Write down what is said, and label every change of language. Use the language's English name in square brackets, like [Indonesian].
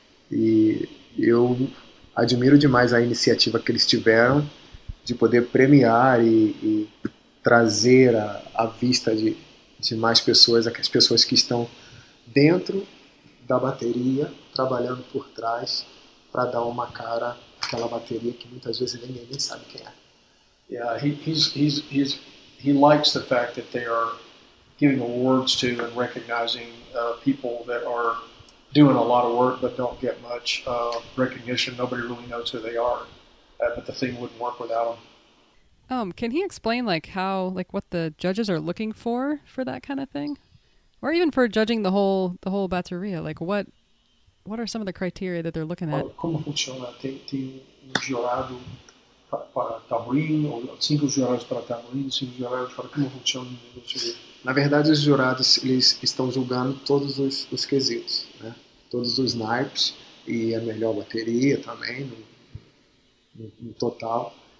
[Portuguese] E eu admiro demais a iniciativa que eles tiveram de poder premiar e trazer à vista de mais pessoas, aquelas pessoas que estão dentro da bateria, trabalhando por trás, para dar uma cara àquela bateria que muitas vezes ninguém sabe quem é. [English] Yeah, he likes the fact that they are giving awards to and recognizing people that are doing a lot of work but don't get much recognition. Nobody really knows who they are, but the thing wouldn't work without them. Can he explain what the judges are looking for that kind of thing? Or even for judging the whole bateria? Like what are some of the criteria that they're looking at? [Portuguese] Como funciona? Tem um jurado para tamborim, ou 5 jurados para tamborim, 5 jurados para como funciona o negócio? Na verdade, os jurados eles estão julgando todos os quesitos, né? Todos os naipes e a melhor bateria também, no total.